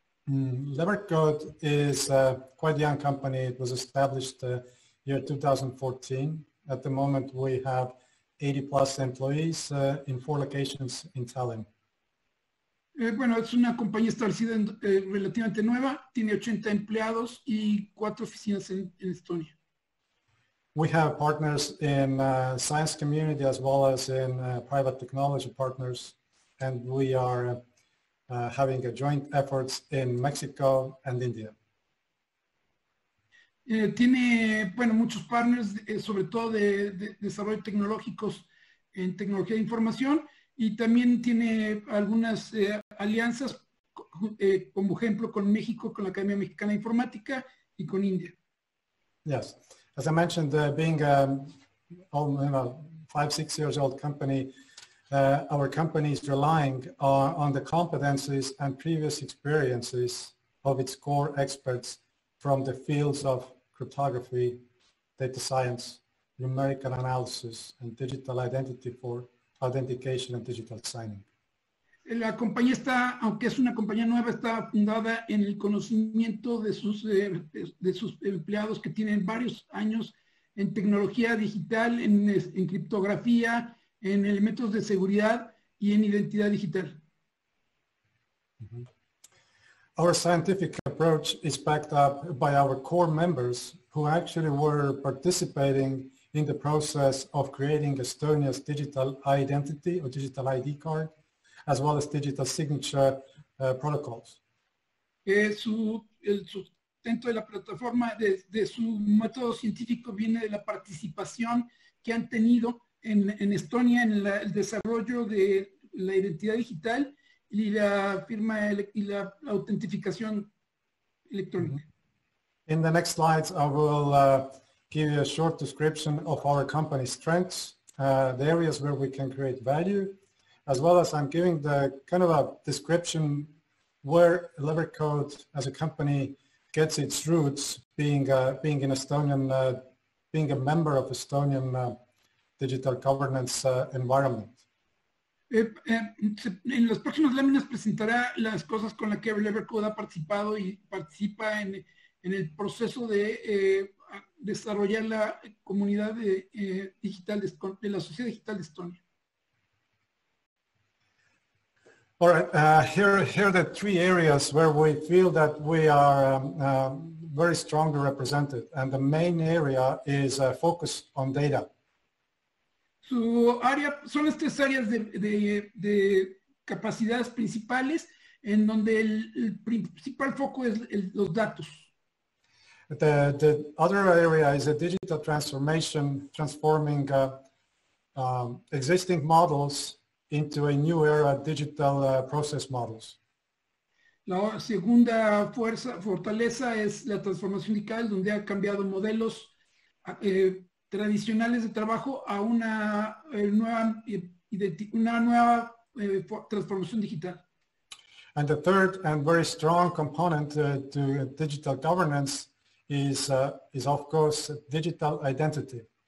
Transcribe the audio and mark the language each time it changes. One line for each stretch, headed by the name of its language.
English: Levercode is quite a young company. It was established in year 2014. At the moment, we have 80 plus employees in four locations in Tallinn.
Spanish: Es una compañía establecida relativamente nueva. Tiene 80 empleados y cuatro oficinas en Estonia.
English: We have partners in science community as well as in private technology partners, and we are having a joint efforts in Mexico and India.
Spanish: Tiene muchos partners, sobre todo de desarrollo tecnológicos en tecnología de información, y también tiene algunas alianzas, como ejemplo con México, con la Academia Mexicana de Informática y con India.
English: Yes, as I mentioned, being a 5-6 years old company, our company is relying on the competencies and previous experiences of its core experts from the fields of cryptography, data science, numerical analysis, and digital identity for authentication and digital signing.
Spanish: La compañía está, aunque es una compañía nueva, está fundada en el conocimiento de sus empleados que tienen varios años en tecnología digital, en criptografía, en elementos de seguridad y en identidad digital.
English: Our scientific approach is backed up by our core members who actually were participating in the process of creating Estonia's digital identity or digital ID card, as well as digital signature protocols.
Spanish: Su sustento de la plataforma, de su método científico, viene de la participación que han tenido en Estonia en el desarrollo de la identidad digital y la firma y la autentificación electrónica.
English: In the next slides, I will give you a short description of our company's strengths, the areas where we can create value, as well as I'm giving the kind of a description where Levercode as a company gets its roots, being an Estonian, being a member of Estonian digital governance environment.
Spanish: En las próximas láminas presentará las cosas con las que Levercode ha participado y participa en el proceso de desarrollar la comunidad de, digital de la sociedad digital de Estonia.
English: All right, here are the three areas where we feel that we are very strongly represented. And the main area is a focus on data.
Spanish: Su área, son las tres áreas de capacidades principales en donde el principal foco es los datos.
English: The other area is a digital transformation, transforming existing models into a new era digital process models.
Spanish: La segunda fortaleza es la transformación digital, donde ha cambiado modelos tradicionales de trabajo a una nueva transformación digital.
English: And the third and very strong component to digital governance is of course digital identity.